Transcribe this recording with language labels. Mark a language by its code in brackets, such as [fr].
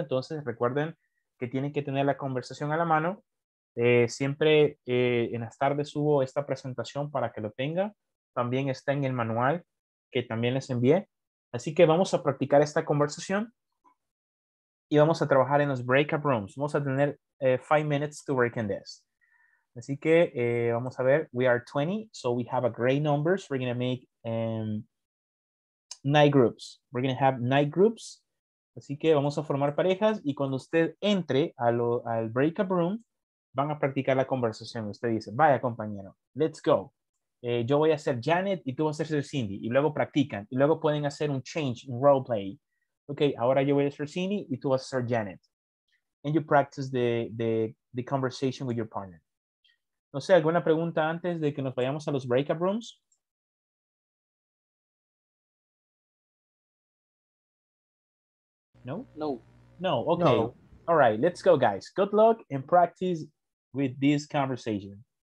[es] Entonces, recuerden que tienen que tener la conversación a la mano. Siempre en las tardes subo esta presentación para que lo tenga. También está en el manual que también les envié. Así que vamos a practicar esta conversación y vamos a trabajar en los breakout rooms. Vamos a tener [en] 5 minutes to work in this. [es] Así que vamos a ver. [en] We are 20, so we have a great numbers. We're going to make... night groups. We're going to have night groups. [es] Así que vamos a formar parejas y cuando usted entre al breakout room, van a practicar la conversación. Usted dice, vaya compañero, [en] let's go. [es] Yo voy a ser Janet y tú vas a ser Cindy. Y luego practican. Y luego pueden hacer un change, un role play. Ok, ahora yo voy a ser Cindy y tú vas a ser Janet. [en] And you practice the conversation with your partner. [es] No sé, ¿alguna pregunta antes de que nos vayamos a los breakout rooms? No? No. [en] No. Okay. No. All right. Let's go, guys. Good luck and practice with this conversation.